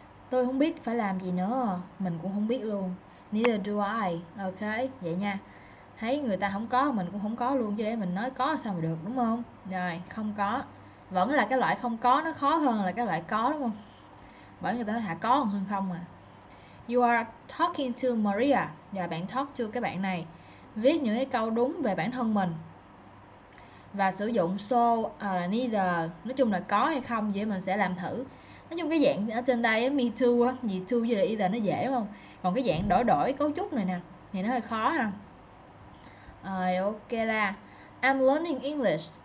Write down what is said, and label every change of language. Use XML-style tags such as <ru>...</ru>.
<vi>Tôi không biết phải làm gì nữa. Mình cũng không biết luôn.</vi> <en>Neither do I.</en> <vi>Ok, vậy nha. Thấy người ta không có, mình cũng không có luôn. Chứ để mình nói có sao mà được, đúng không? Rồi, không có. Vẫn là cái loại không có nó khó hơn là cái loại có, đúng không? Bởi người ta nói thà có hơn không à.</vi> <en>You are talking to Maria.</en> <vi>Và bạn talk to cái bạn này. Viết những cái câu đúng về bản thân mình. Và sử dụng so, là neither. Nói chung là có hay không, vậy mình sẽ làm thử. Nói chung cái dạng ở trên đây, me too, gì too với là either nó dễ đúng không? Còn cái dạng đổi đổi cấu trúc này nè thì nó hơi khó ha. Rồi ok là</vi> <en>I'm learning English.</en>